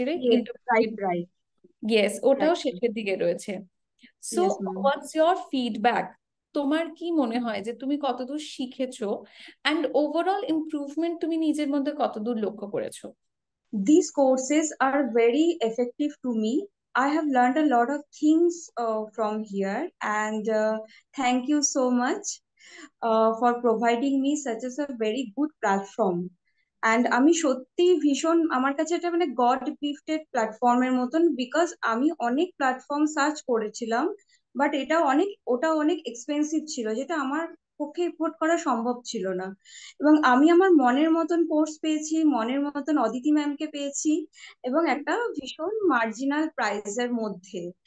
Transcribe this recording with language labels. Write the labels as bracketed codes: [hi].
[en] yes, right right yes, ওটাও right [bn] শেষের দিকে রয়েছে। So [en] yes ma'am, what's your feedback, [bn] তোমার কি মনে হয় যে তুমি কতদূর শিখেছো, অ্যান্ড ওভারঅল ইম্প্রুভমেন্ট তুমি নিজের মধ্যে কতদূর লক্ষ্য করেছো? [en] This courses are very effective to me. I have learned a lot of things from here, and thank you so much for providing me such as a very good platform. [bn] And আমি সত্যি ভীষণ, আমার কাছে এটা মানে god gifted প্ল্যাটফর্মের মতন, because আমি অনেক প্ল্যাটফর্ম সার্চ করেছিলাম, বাট এটা অনেক, ওটা অনেক এক্সপেন্সিভ ছিল, যেটা আমার পক্ষে এফোর্ড করা সম্ভব ছিল না। এবং আমি আমার মনের মতন কোর্স পেয়েছি, মনের মতন অদিতি ম্যামকে পেয়েছি, এবং একটা ভীষণ মার্জিনাল প্রাইজের মধ্যে।